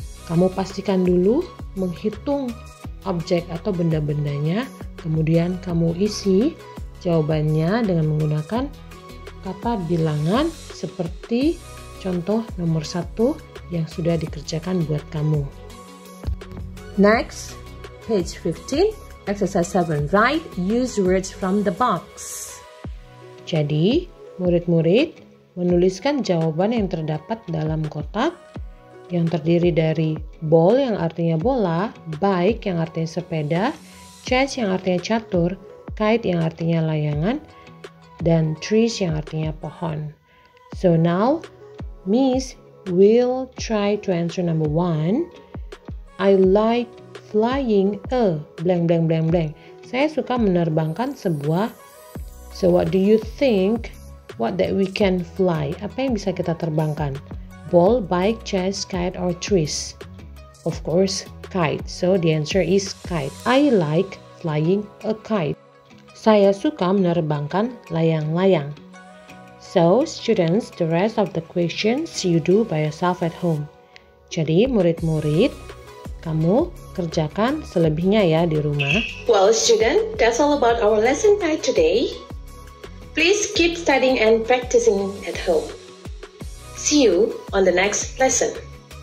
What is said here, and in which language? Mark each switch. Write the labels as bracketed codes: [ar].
[id] Kamu pastikan dulu menghitung objek atau benda-bendanya, kemudian kamu isi jawabannya dengan menggunakan kata bilangan seperti contoh nomor 1 yang sudah dikerjakan buat kamu. [en] Next, page 15, exercise 7, write use words from the box. [id] Jadi, murid-murid menuliskan jawaban yang terdapat dalam kotak yang terdiri dari ball yang artinya bola, bike yang artinya sepeda, chess yang artinya catur, kite yang artinya layangan, dan trees yang artinya pohon. [en] So now, Miss will try to answer number 1. I like flying a blank blank blank blank. [id] Saya suka menerbangkan sebuah. [en] So what do you think? What that we can fly? [id] Apa yang bisa kita terbangkan? [en] Ball, bike, chess, kite, or trees? Of course, kite. So the answer is kite. I like flying a kite. [id] Saya suka menerbangkan layang-layang. [en] So, students, the rest of the questions you do by yourself at home. [id] Jadi, murid-murid, kamu kerjakan selebihnya ya di rumah. [en] Well, student, that's all about our lesson by today. Please keep studying and practicing at home. See you on the next lesson.